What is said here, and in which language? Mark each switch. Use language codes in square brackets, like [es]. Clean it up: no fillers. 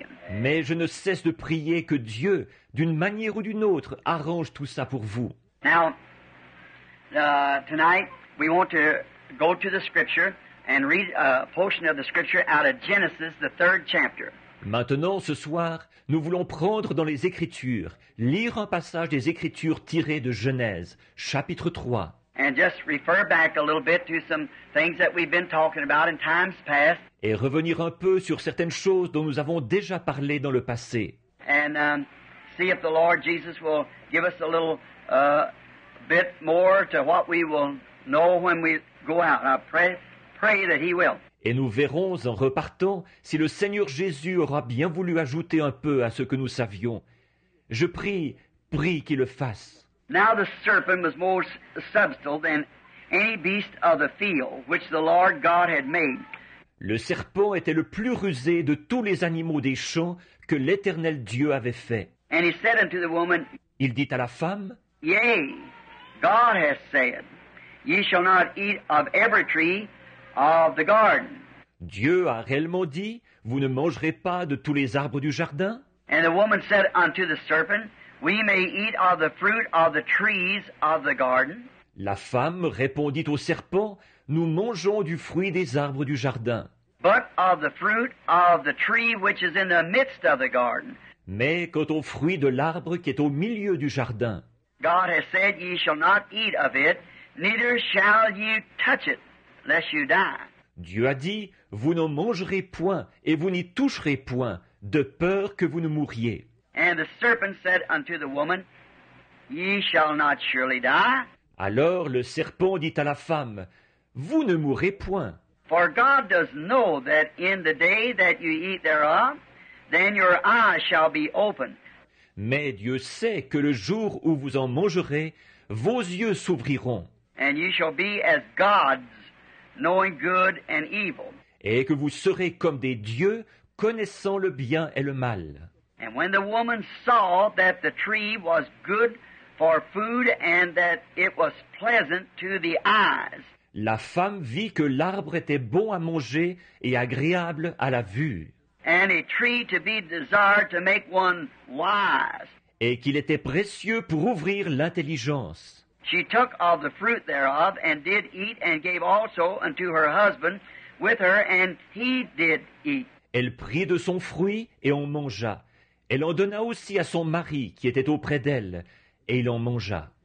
[fr] Mais je ne cesse de prier que Dieu, d'une manière ou d'une autre, arrange tout ça pour vous. [en] Now, tonight, we want to go to the scripture and read a portion of the scripture out of Genesis, the third chapter. [fr] Maintenant, ce soir, nous voulons prendre dans les Écritures, lire un passage des Écritures tiré de Genèse, chapitre 3. [en] And just refer back a little bit to some things that we've been talking about in times past. [fr] Et revenir un peu sur certaines choses dont nous avons déjà parlé dans le passé. [en] And see if the Lord Jesus will give us a little bit more to what we will know when we go out. I pray that he will. [fr] Et nous verrons en repartant si le Seigneur Jésus aura bien voulu ajouter un peu à ce que nous savions. Je prie qu'il le fasse. [en] Now the serpent was more subtle than any beast of the field which the Lord God had made. [fr] Le serpent était le plus rusé de tous les animaux des champs que l'Éternel Dieu avait fait. [en] And he said unto the woman, [fr] il dit à la femme, [en] yea, God has said, ye shall not eat of every tree of the garden. [fr] Dieu a réellement dit, vous ne mangerez pas de tous les arbres du jardin. [en] And the woman said unto the serpent, we may eat of the fruit of the trees of the garden. [fr] La femme répondit au serpent, nous mangeons du fruit des arbres du jardin. [en] But of the fruit of the tree which is in the midst of the garden. [fr] Mais quant au fruit de l'arbre qui est au milieu du jardin. [en] God has said, ye shall not eat of it, neither shall ye touch it, lest you die. [fr] Dieu a dit, vous n'en mangerez point et vous n'y toucherez point, de peur que vous ne mouriez. [en] And the serpent said unto the woman, ye shall not surely die. [fr] Alors le serpent dit à la femme, vous ne mourrez point. [en] For God does know that in the day that you eat thereof, then your eyes shall be opened. [fr] Mais Dieu sait que le jour où vous en mangerez, vos yeux s'ouvriront. [en] And you shall be as gods, knowing good and evil. [fr] Et que vous serez comme des dieux, connaissant le bien et le mal. [en] And when the woman saw that the tree was good for food and that it was pleasant to the eyes. [fr] La femme vit que l'arbre était bon à manger et agréable à la vue. [en] And a tree to be desired to make one wise. [fr] Et qu'il était précieux pour ouvrir l'intelligence. [en] She took of the fruit thereof and did eat and gave also unto her husband with her and he did eat. [fr] Elle prit de son fruit et en mangea. Elle en donna aussi à son mari qui était auprès d'elle et il en mangea.